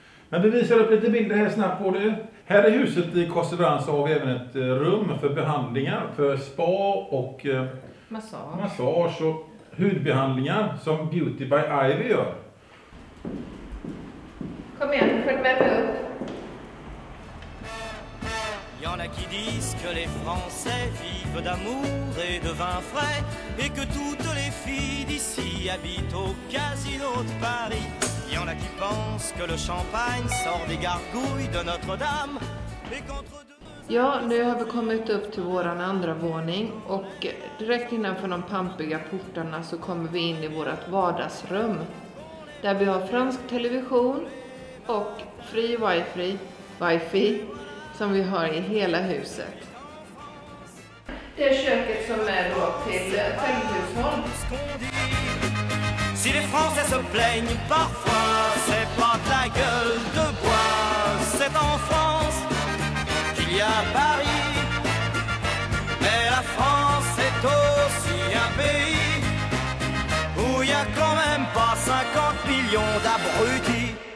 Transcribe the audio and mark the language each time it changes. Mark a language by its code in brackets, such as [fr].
[sv] Men vi visar upp lite bilder här snabbt på det. Här i huset i Cosséveran så har vi även ett rum för behandlingar, för spa och massage och hudbehandlingar som Beauty by Ivy gör. Kom igen, följ med mig upp. [fr] Il y en a qui disent que les Français vivent d'amour et de vin frais et que toutes les filles d'ici habitent au casino de Paris. Il y en a qui pensent que le champagne sort des gargouilles de Notre-Dame et qu'entre deux... [sv] Ja, nu har vi kommit upp till våran andra våning och direkt innanför de pampiga portarna så kommer vi in i vårat vardagsrum där vi har fransk television och fri wifi. Som vi har i hela huset. Det är köket som är då till trädgårdshåll. [fr] Si les Français se plaignent parfois, c'est pas de la gueule de bois, c'est en France qu'il y a Paris. Mais la France est aussi un pays où il y a quand même pas 50 millions d'abrutis.